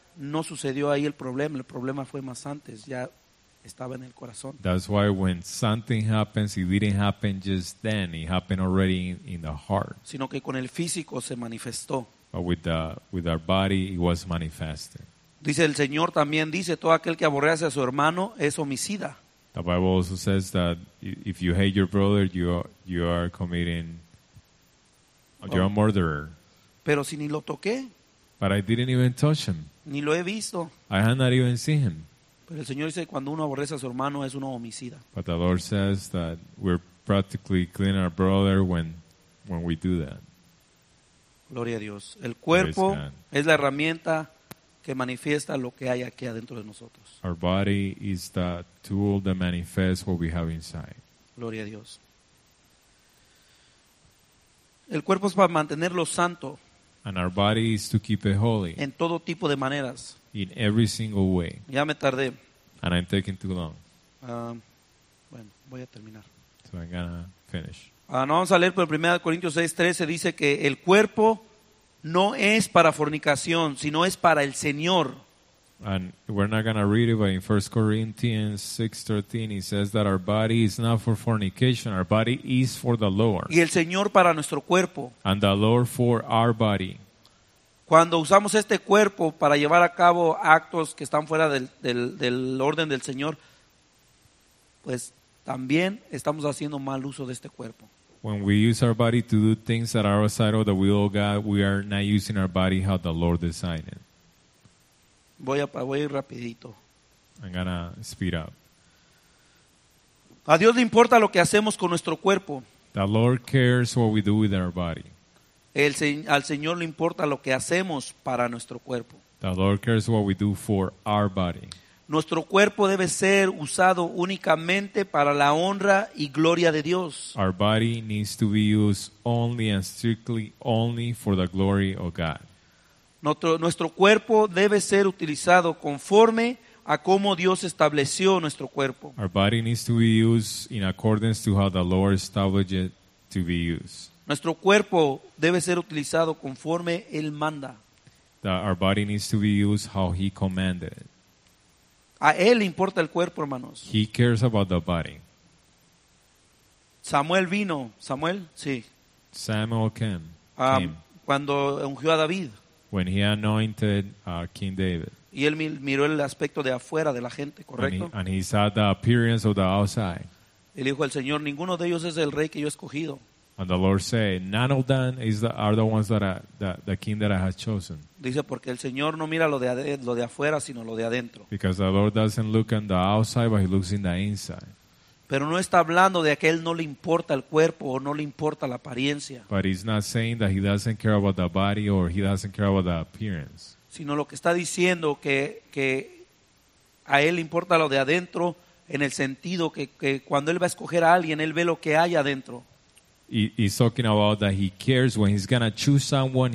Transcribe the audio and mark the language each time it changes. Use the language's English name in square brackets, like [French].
[Spanish] no sucedió ahí el problema fue más antes, ya estaba en el corazón. [English] That's why when something happens, it didn't happen just then, it happened already in the heart. [Spanish] Sino que con el físico se manifestó. [English] But with our body, it was manifested. [Spanish] Dice el Señor también, dice, todo aquel que aborrece a su hermano es homicida. [English] The Bible also says that if you hate your brother, you are committing, you're a murderer. [Spanish] Pero si ni lo toqué. [English] But I didn't even touch him. [Spanish] Ni lo he visto. [English] I had not even seen him. [Spanish] Pero el Señor dice cuando uno aborrece a su hermano es uno homicida. [English] But the Lord says that we're practically killing our brother when we do that. [Spanish] Gloria a Dios. El cuerpo es la herramienta que manifiesta lo que hay aquí adentro de nosotros. [English] Our body is the tool that manifests what we have inside. [Spanish] Gloria a Dios. El cuerpo es para mantenerlo santo. [English] And our body is to keep it holy. [Spanish] En todo tipo de maneras. [English] In every single way. [Spanish] Ya me tardé. [English] And I'm taking too long. [Spanish] Bueno, voy a terminar. [English] So I'm gonna finish. [Spanish] No vamos a leer, pero 1 Corintios 6:13 dice que el cuerpo no es para fornicación, sino es para el Señor. [English] And we're not gonna read it, but in 1 Corinthians 6:13 it says that our body is not for fornication, our body is for the Lord. [Spanish] Y el Señor para nuestro cuerpo. [English] And the Lord for our body. [Spanish] Cuando usamos este cuerpo para llevar a cabo actos que están fuera del orden del Señor, pues también estamos haciendo mal uso de este cuerpo. [English] When we use our body to do things that are outside of the will of God, we are not using our body how the Lord designed it. [Spanish] Voy a ir rapidito. [English] I'm gonna speed up. [Spanish] A Dios le importa lo que hacemos con nuestro cuerpo. [English] The Lord cares what we do with our body. [Spanish] Al Señor le importa lo que hacemos para nuestro cuerpo. [English] The Lord cares what we do for our body. [Spanish] Nuestro cuerpo debe ser usado únicamente para la honra y gloria de Dios. [English] Our body needs to be used only and strictly only for the glory of God. [Spanish] Nuestro cuerpo debe ser utilizado conforme a cómo Dios estableció nuestro cuerpo. [English] Our body needs to be used in accordance to how the Lord established it to be used. [Spanish] Nuestro cuerpo debe ser utilizado conforme Él manda. [English] Our body needs to be used how He commanded it. [Spanish] A Él importa el cuerpo, hermanos. [English] He cares about the body. [Spanish] Samuel vino. Samuel, sí. [English] Samuel came. [Spanish] Cuando ungió a David. [English] When he anointed King David. [Spanish] Y él miró el aspecto de afuera de la gente, ¿correcto? [English] And he saw the appearance of the outside. [Spanish] Él dijo al Señor, ninguno de ellos es el rey que yo he escogido. [English] And the Lord said, none of them are the ones the king that I have chosen. [Spanish] Dice, porque el Señor no mira lo de afuera, sino lo de adentro. [English] Because the Lord doesn't look on the outside, but He looks in the inside. [Spanish] Pero no está hablando de que a Él no le importa el cuerpo o no le importa la apariencia. [English] But He's not saying that He doesn't care about the body or He doesn't care about the appearance. [Spanish] Sino lo que está diciendo que a Él le importa lo de adentro en el sentido que cuando Él va a escoger a alguien, Él ve lo que hay adentro. [English] He's talking about that He cares when He's gonna choose someone.